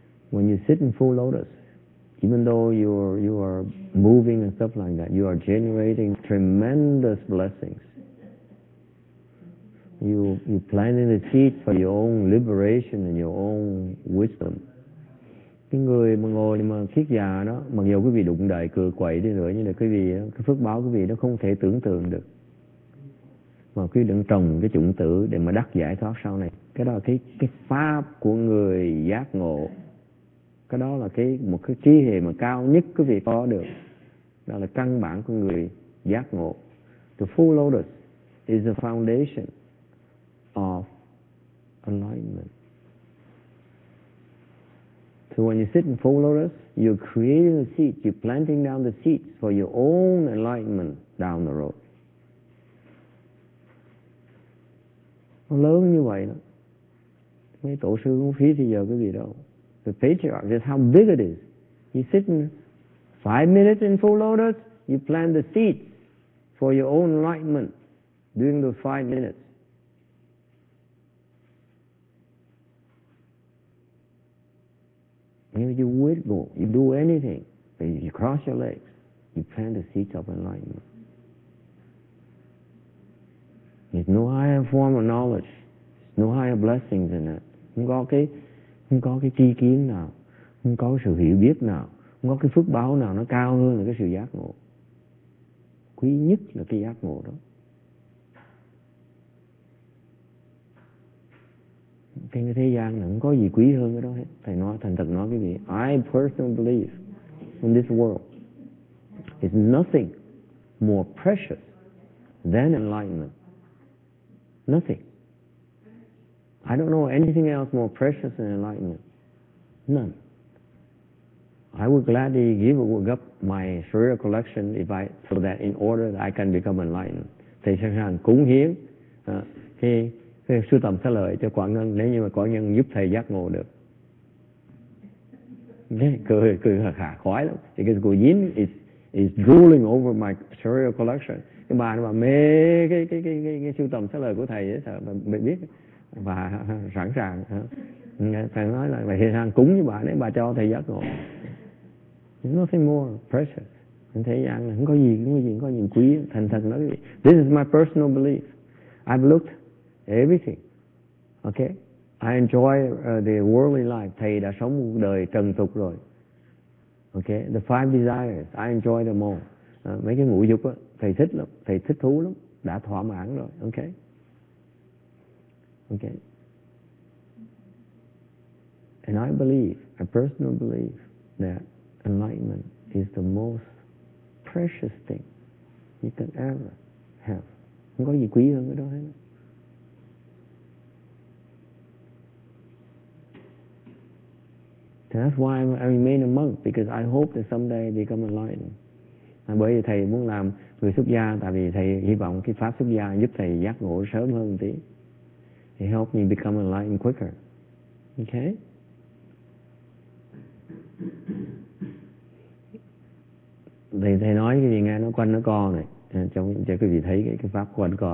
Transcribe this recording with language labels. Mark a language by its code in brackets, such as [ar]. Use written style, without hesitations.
[en] When you sit in full lotus, even though you are moving and stuff like that, you are generating tremendous blessings. You're planting the seed for your own liberation and your own wisdom. [vi] Cái người mà ngồi mà khiết già đó, mặc dù quý vị đụng đầy cửa quậy đi nữa, nhưng mà quý vị, cái phước báo quý vị nó không thể tưởng tượng được. Mà quý vị đừng trồng cái chủng tử để mà đắc giải thoát sau này. Cái đó là cái pháp của người giác ngộ. Cái đó là một cái trí hệ mà cao nhất quý vị có được. Đó là căn bản của người giác ngộ. [en] The full lotus is the foundation of enlightenment. So when you sit in full lotus, you're creating a seed, you're planting down the seeds for your own enlightenment down the road. [vi] Nó lớn như vậy đó. Mấy tổ sư cũng phí thì giờ quý vị đâu. [en] The patriarch, just how big it is. You sit in 5 minutes in full lotus, you plant the seeds for your own enlightenment during those 5 minutes. You know, you wiggle, you do anything, but you cross your legs, you plant the seeds of enlightenment. There's no higher form of knowledge, there's no higher blessings in it. Okay. [vi] Không có cái tri kiến nào, không có sự hiểu biết nào, không có cái phước báo nào nó cao hơn là cái sự giác ngộ. Quý nhất là cái giác ngộ đó. Cái thế gian này không có gì quý hơn cái đó hết. Thầy nói, thành thật nói cái gì? [en] I personally believe in this world is nothing more precious than enlightenment. Nothing. I don't know anything else more precious than enlightenment. None. I would gladly give up my Sharira collection if I so that in order that I can become enlightened. [vi] Thầy sẵn sàng cúng hiến cái sưu tầm xá lợi cho Quảng Ngân nếu như mà Quảng Ngân giúp thầy giác ngộ được. Cười khả khả khoái lắm. [en] Because Cô Dín is drooling over my Sharira collection. [vi] Cái bà nó bảo mê cái sưu tầm xá lợi của thầy ấy, mày biết. Và sẵn sàng thầy nói là thầy sang cúng với bà đấy, bà cho thầy giác ngộ. [en] Nothing more precious [vi] trên thế gian này không có gì, không có gì, không có gì quý. Thành thật nói vậy. [en] This is my personal belief. I've looked everything. Okay. I enjoy the worldly life. [vi] Thầy đã sống một đời trần tục rồi. Okay. [en] The five desires. I enjoy them all. [vi] Mấy cái ngũ dục á, thầy thích lắm, thầy thích thú lắm, đã thỏa mãn rồi. [en] Okay. Okay. And I believe, I personally believe that enlightenment is the most precious thing you can ever have. [vi] Không có gì quý hơn cái đó hết. [en] That's why I remain a monk, because I hope that someday I become enlightened. [vi] Bởi vì thầy muốn làm người xuất gia, tại vì thầy hy vọng cái pháp xuất gia giúp thầy giác ngộ sớm hơn một tí. [en] It helps me become enlightened quicker. Okay? [vi] Thầy nói cái gì nghe nó quanh nó co này, cho quý vị thấy cái pháp quanh co.